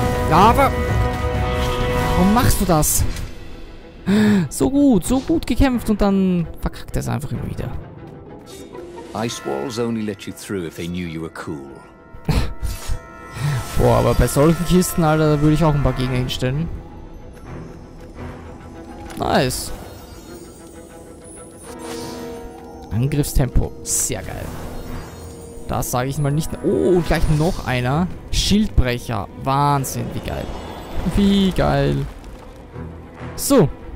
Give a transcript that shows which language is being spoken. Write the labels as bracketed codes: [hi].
[de] Ja, aber... Warum machst du das? So gut gekämpft und dann verkackt er es einfach immer wieder. [en] Ice walls only let you through if they knew you were cool. [de] Boah, aber bei solchen Kisten, Alter, da würde ich auch ein paar Gegner hinstellen. [en] Nice. [de] Angriffstempo. Sehr geil. Das sage ich mal nicht. Oh, und gleich noch einer. Schildbrecher. Wahnsinn, wie geil. Wie geil. So.